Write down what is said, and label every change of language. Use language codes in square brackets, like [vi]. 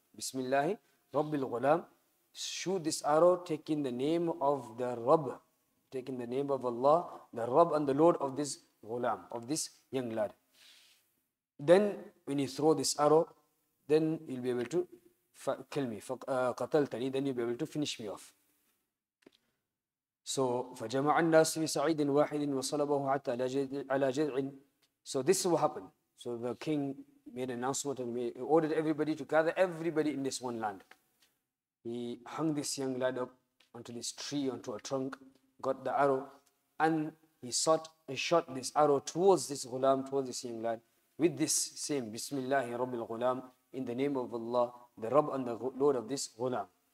[ar] Bismillahi Rabbil Ghulam. [en] Shoot this arrow, taking the name of the Rabb. Taking the name of Allah, the Rabb and the Lord of this ghulam, of this young lad. Then when you throw this arrow, then you'll be able to kill me. [ar] قَتَلْتَنِي [en] Then you'll be able to finish me off. [ar] So, فَجَمَعَ النَّاسِ فِي سَعِيدٍ وَاحِدٍ وَصَلَبَهُ حَتَّى عَلَى جِذْعٍ [en] So this is what happened. So the king made an announcement and ordered everybody to gather everybody in this one land. He hung this young lad up onto this tree, onto a trunk. Got the arrow, and he shot this arrow towards this ghulam, towards this young lad, with this same, [ar] Bismillahi Rabbil Ghulam, [en] in the name of Allah, the Rabb and the Lord of this ghulam.